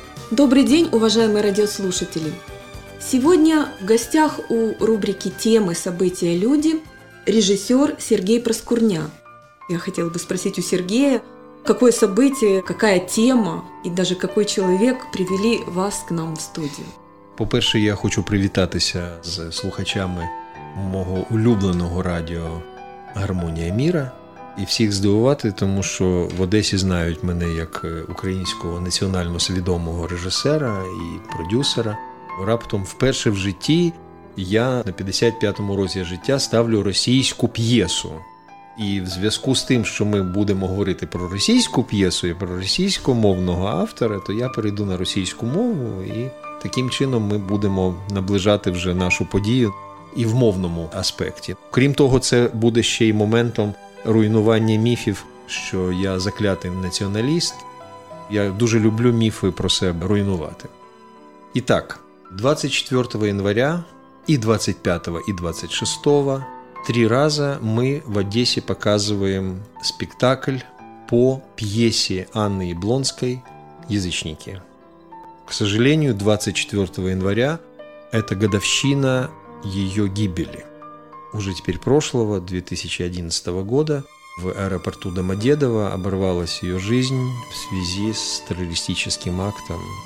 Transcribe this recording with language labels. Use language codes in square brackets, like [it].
[ru] Добрый день, уважаемые радиослушатели! Сегодня в гостях у рубрики «Темы, события, люди» режиссер Сергей Проскурня. Я хотела бы спросить у Сергея, какое событие, какая тема и даже какой человек привели вас к нам в студию? [uk] По-перше, я хочу привітатися з слухачами мого улюбленого радіо «Гармонія міра» і всіх здивувати, тому що в Одесі знають мене як українського національно свідомого режисера і продюсера. Раптом вперше в житті я на 55-му році життя ставлю російську п'єсу. І в зв'язку з тим, що ми будемо говорити про російську п'єсу і про російськомовного автора, то я перейду на російську мову, і таким чином ми будемо наближати вже нашу подію і в мовному аспекті. Крім того, це буде ще й моментом руйнування міфів, що я заклятий націоналіст. Я дуже люблю міфи про себе руйнувати. І так, 24 января і 25, і 26 три рази ми в Одесі показуємо спектакль по п'єсі Анни Яблонської «Язичники». [ru] К сожалению, 24 января это годовщина ее гибели. Уже теперь прошлого, 2011 года, в аэропорту Домодедово оборвалась ее жизнь в связи с террористическим актом.